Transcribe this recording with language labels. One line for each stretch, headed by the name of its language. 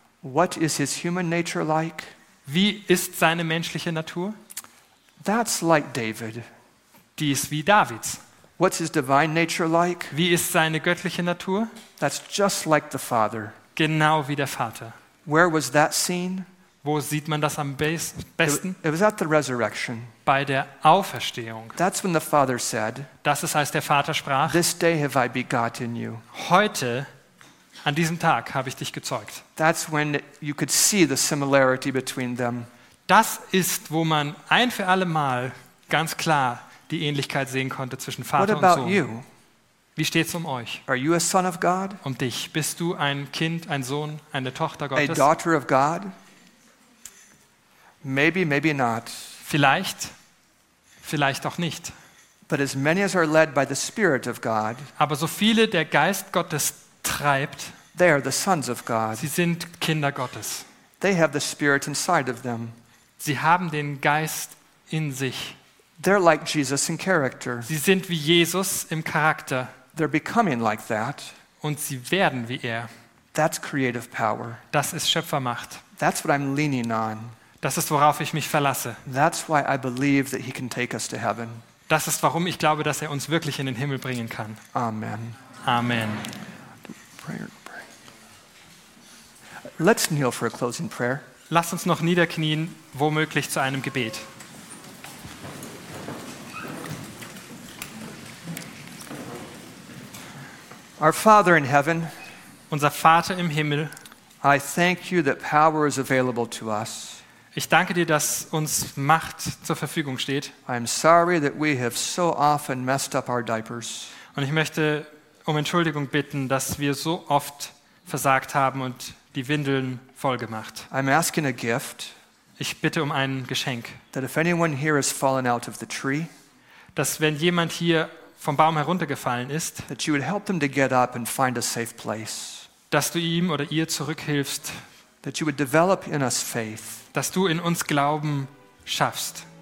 English: What is his human nature like?
German: Wie ist seine menschliche Natur?
English: That's like David.
German: Die ist wie Davids.
English: What's his divine nature like?
German: Wie ist seine göttliche Natur?
English: That's just like the Father.
German: Genau wie der Vater.
English: Where was that seen?
German: Wo sieht man das am besten?
English: It was at the resurrection.
German: Bei der Auferstehung.
English: That's when the Father said,
German: das ist, als der Vater sprach,
English: this day have I begotten you.
German: Heute, an diesem Tag, habe ich dich gezeugt.
English: That's when you could see the similarity between them.
German: Das ist, wo man ein für alle Mal ganz klar die Ähnlichkeit sehen konnte zwischen Vater und Sohn.
English: What about you?
German: Wie steht's um euch?
English: Are you a son of God?
German: Um dich. Bist du ein Kind, ein Sohn, eine Tochter Gottes?
English: A daughter of God? Maybe, maybe not.
German: Vielleicht, vielleicht auch nicht.
English: But as many as are led by the Spirit of God,
German: aber so viele der Geist Gottes treibt,
English: they are the sons of God.
German: Sie sind Kinder Gottes.
English: They have the Spirit inside of them.
German: Sie haben den Geist in sich.
English: They're like Jesus in character.
German: Sie sind wie Jesus im Charakter.
English: They're becoming like that.
German: Und sie werden wie er.
English: That's creative power.
German: Das ist Schöpfermacht.
English: That's what I'm leaning on.
German: Das ist, worauf ich mich verlasse.
English: That's why I believe that he can take us to heaven.
German: Das ist, warum ich glaube, dass er uns wirklich in den Himmel bringen kann.
English: Amen.
German: Amen.
English: Let's kneel for a closing prayer.
German: Lass uns noch niederknien, womöglich zu einem Gebet.
English: Our Father in heaven,
German: unser Vater im Himmel,
English: I thank you that power is available to us.
German: Ich danke dir, dass uns Macht zur Verfügung steht.
English: I'm sorry that we have so often messed up our diapers.
German: Und ich möchte um Entschuldigung bitten, dass wir so oft versagt haben und die Windeln vollgemacht.
English: I'm asking a gift.
German: Ich bitte um ein Geschenk.
English: That if anyone here has fallen out of the tree,
German: dass wenn jemand hier vom Baum heruntergefallen ist,
English: that you would help them to get up and find a safe place.
German: Dass du ihm oder ihr zurückhilfst.
English: That you would develop in us faith.
German: Dass du in uns Glauben schaffst.